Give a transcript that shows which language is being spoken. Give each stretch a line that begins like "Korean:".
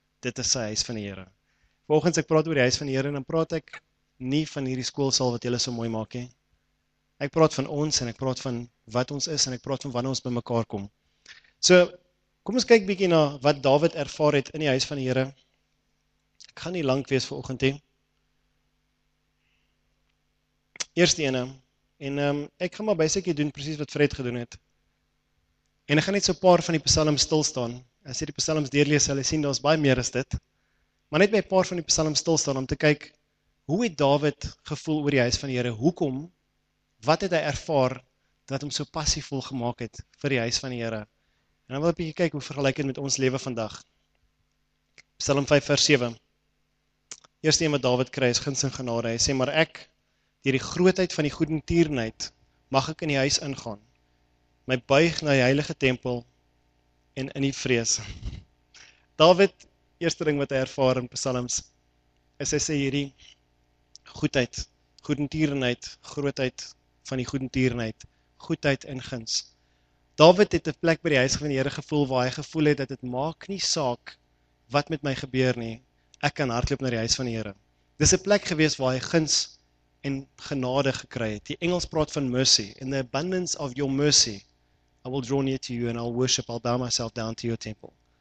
Afrikaans: Dit is sy huis van die Here. Volgens ek praat oor die huis van die Here, dan praat ek nie van hierdie skoolsaal wat julle so mooi maak nie. Ek praat van ons en ek praat van wat ons is en ek praat van wanneer ons bymekaar kom. So, kom ons kyk bietjie na wat Dawid ervaar het in die huis van die Here. Ek gaan nie lank wees vanoggend nie. Eerste ene, en ek gaan maar basically doen presies wat Fred gedoen het. En ek gaan net so 'n paar van die psalms stilstaan. As jy die psalms deurlees, sal jy sien daar's baie meer as dit. Maar net by 'n paar van die psalms stilstaan om te kyk hoe het Dawid gevoel oor die huis van die Here? Hoekom? Wat het hy ervaar dat hom so passievol gemaak het vir die huis van die Here? En dan wil ek 'n bietjie kyk hoe vergelyk dit met ons lewe vandag. Psalm 5 vers 7. Eerste een wat Dawid kry is guns en genade. Hy sê maar ek deur die grootheid van die goedertierenheid mag ek in die huis ingaan. My buig na die heilige tempel en in die vrees. Dawid, eerste ding wat hy ervaar in psalms, is hy sê hierdie goedheid, goedertierenheid, grootheid van die goedertierenheid, goedheid en guns. Dawid het 'n plek by die huis van die Here gevoel waar hy gevoel het dat dit maak nie saak wat met my gebeur nie, ek kan hardloop na die huis van die Here. Dis 'n plek gewees waar hy guns en genade gekry het. Die Engels praat van
English: mercy, in the abundance of your mercy, I will draw near to you and I'll worship, I'll bow myself down to your temple.